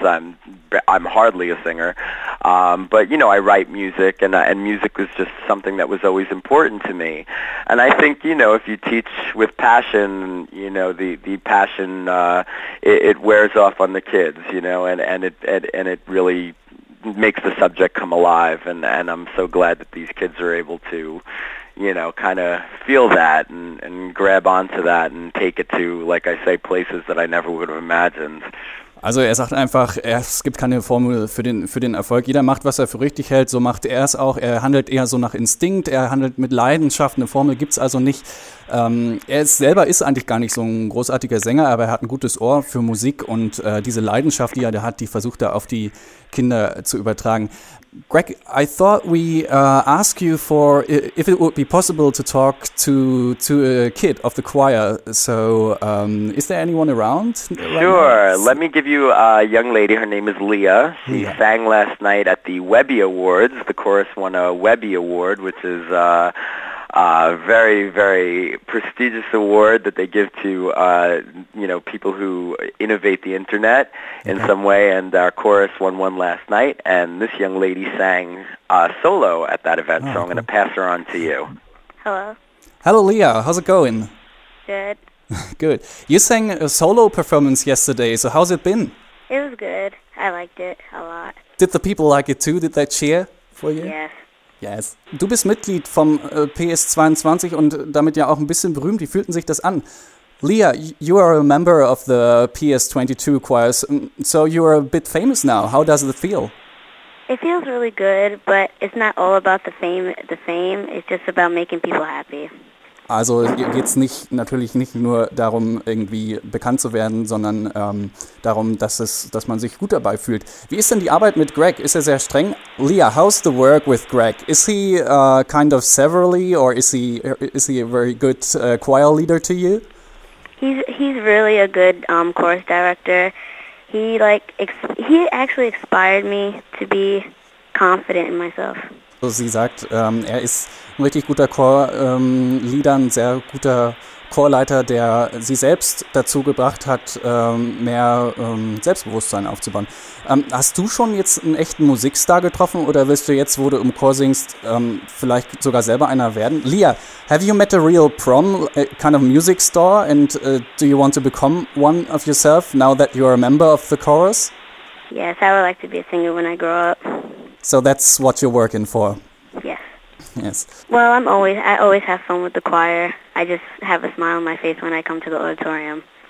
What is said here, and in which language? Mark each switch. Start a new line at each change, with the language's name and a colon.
English: I'm hardly a singer, but you know, I write music, and music was just something that was always important to me, and I think, you know, if you teach with passion, you know, the passion, it wears off on the kids, you know, and it really makes the subject come alive, and I'm so glad that these kids are able to, you know, kind of feel that and grab onto that and take it to, like I say, places that I never would have imagined.
German: Also er sagt einfach, es gibt keine Formel für den Erfolg. Jeder macht, was er für richtig hält, so macht er es auch. Er handelt eher so nach Instinkt, er handelt mit Leidenschaft. Eine Formel gibt es also nicht. Er selber ist eigentlich gar nicht so ein großartiger Sänger, aber er hat ein gutes Ohr für Musik und diese Leidenschaft, die er da hat, die versucht er auf die Kinder zu übertragen.
English: Greg, I thought we ask you for if it would be possible to talk to a kid of the choir. So, is there anyone around? Sure. Let me give you a young lady. Her name is Leah. She sang last night at the Webby Awards. The chorus won a Webby Award, which is a very, very prestigious award that they give to people who innovate the internet in some way, and our chorus won one last night, and this young lady sang solo at that event, so I'm going to pass her on to you. Hello. Hello, Leah. How's it going? Good. Good. You sang a solo performance yesterday, so how's it been? It was good. I liked it a lot. Did the people like it too? Did they cheer for you? Yes.
German: Du bist Mitglied vom PS22 und damit ja auch ein bisschen berühmt. Wie fühlten sich das an?
English: Leah, you are a member of the PS22 choir, so you are a bit famous now. How does it feel? It feels really good, but it's not all about the fame. It's just about making people happy.
German: Also geht's natürlich nicht nur darum, irgendwie bekannt zu werden, sondern darum, dass man sich gut dabei fühlt. Wie ist denn die Arbeit mit Greg? Ist er sehr streng?
English: Leah, how's the work with Greg? Is he kind of severely, or is he a very good choir leader to you? He's really a good chorus director. He actually inspired me to be confident in myself.
German: Sie sagt, er ist ein richtig guter Chorleader, ein sehr guter Chorleiter, der sie selbst dazu gebracht hat, mehr Selbstbewusstsein aufzubauen. Hast du schon jetzt einen echten Musikstar getroffen oder willst du jetzt, wo du im Chor singst, vielleicht sogar selber einer werden?
English: Leah, have you met a real prom, a kind of music star, and do you want to become one of yourself now that you are a member of the chorus? Yes, I would like to be a singer when I grow up. So that's what you're working for? Yes. Yes. Well, I always have fun with the choir. I just have a smile on my face when I come to the auditorium.